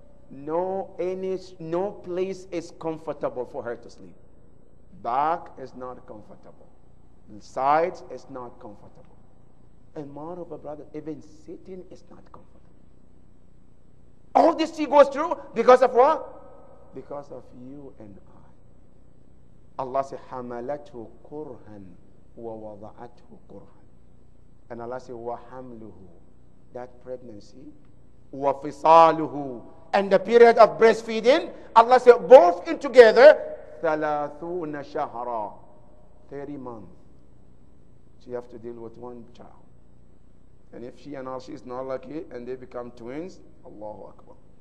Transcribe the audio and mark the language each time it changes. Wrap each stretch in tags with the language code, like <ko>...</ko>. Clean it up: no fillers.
<en>No place is comfortable for her to sleep. Back is not comfortable. Sides is not comfortable. And moreover, brother, even sitting is not comfortable. All this she goes through because of what? Because of you and I. Allah said,</en> <ar>حَمَلَتْهُ كُرْهًا وَوَضَعَتْهُ كُرْهًا.</ar> <en>And Allah said,</en> <ar>وَحَمْلُهُ,</ar> <en>that pregnancy,</en> <ar>وَفِصَالُهُ,</ar> <en>and the period of breastfeeding, Allah said, both in together,</en> <ar>ثَلَاثُونَ شَهْرًا,</ar> <en>30 months. She have to deal with one child. And if she and all she is not lucky, and they become twins, Allahu Akbar.</en>